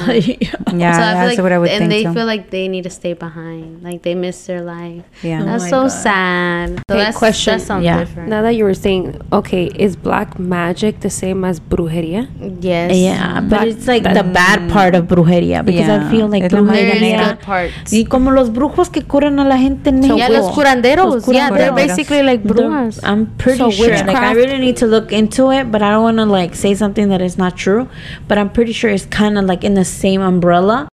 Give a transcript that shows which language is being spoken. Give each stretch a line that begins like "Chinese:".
English: So that's like, what I would think. And they feel like they need to stay behind. Like, they miss their life. Yeah. That's sad. So hey, question. That sounds different. Now that you were saying, okay, is black magic the same as brujería? Yes. Yeah. But it's like the bad part of brujería, because I feel like there's good parts.
Spanish: Y como los brujos que curan a la gente en México. Los curanderos.
English: They're basically like brujas. I'm pretty sure. Like, I really need to look into it, but I don't want to like say something that is not true. But I'm pretty sure it's kind of like in the same umbrella.